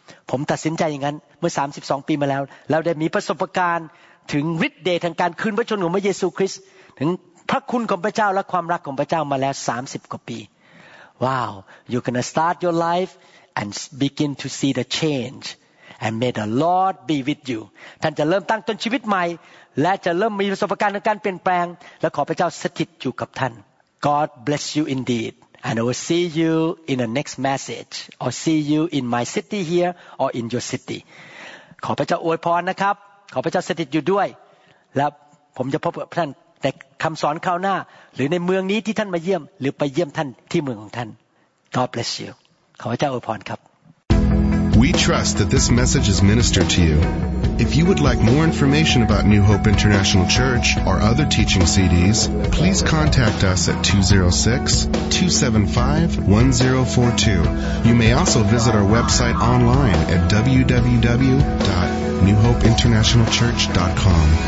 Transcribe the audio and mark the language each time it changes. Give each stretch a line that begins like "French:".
Thai: ผมตัดสินใจอย่างนั้นเมื่อ32ปีมาแล้วแล้วได้มีประสบการณ์ถึงฤทธิ์เดชทางการคืนพระชนของพระเยซูคริสต์ถึงพระคุณของพระเจ้าและความรักของพระเจ้ามาแล้ว30กว่าปี
English: Wow, you're gonna start your life and begin to see the change and may the Lord be with you.
Thai: ท่านจะเริ่มตั้งต้นชีวิตใหม่และจะเริ่มมีประสบการณ์ในการเปลี่ยนแปลงและขอพระเจ้าสถิตอยู่กับท่าน
English: God bless you indeed. And I will see you in the next message. Or see you in my city here or in your city.
Thai: ขอพระเจ้าอวยพรนะครับขอพระเจ้าสถิตอยู่ด้วยและผมจะพบกับท่านแต่คำสอนคราวหน้าหรือในเมืองนี้ที่ท่านมาเยี่ยมหรือไปเยี่ยมท่านที่เมืองของท่าน
English: God bless you.
Thai: ขอพระเจ้าอวยพรครับ
English: We trust that this message is ministered to you. If you would like more information about New Hope International Church or other teaching CDs, please contact us at 206-275-1042. You may also visit our website online at www.newhopeinternationalchurch.com.